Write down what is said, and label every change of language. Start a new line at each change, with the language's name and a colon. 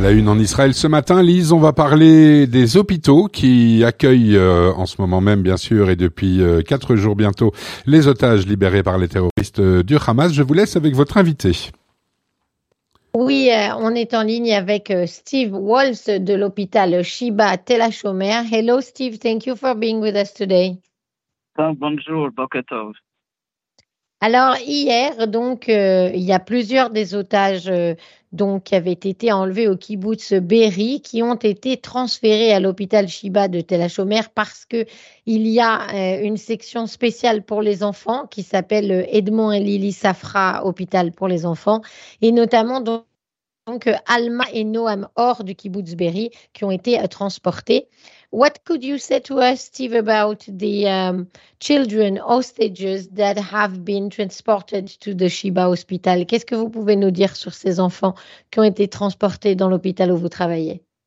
French: La une en Israël ce matin, Lise, on va parler des hôpitaux qui accueillent en ce moment même, bien sûr, et depuis 4 jours bientôt, les otages libérés par les terroristes du Hamas. Je vous laisse avec votre invité. Oui, on est en ligne avec Steve Walsh de l'hôpital Sheba Tel HaShomer.
English: Hello Steve, thank you for being with us today.
French: Bonjour, Boker Tov. Alors hier, donc, il y a plusieurs des otages donc, qui avaient été enlevés au kibboutz Be'eri qui ont été transférés à l'hôpital Sheba de Tel HaShomer parce qu'il y a une section spéciale pour les enfants qui s'appelle Edmond et Lily Safra Hôpital pour les enfants et notamment donc Alma et Noam Or du kibboutz Be'eri qui ont été transportés.
English: What could you say to us, Steve, about the children hostages that have been transported to the Sheba Hospital?
French: Qu'est-ce que vous pouvez nous dire sur ces enfants qui ont été transportés dans l'hôpital où vous travaillez?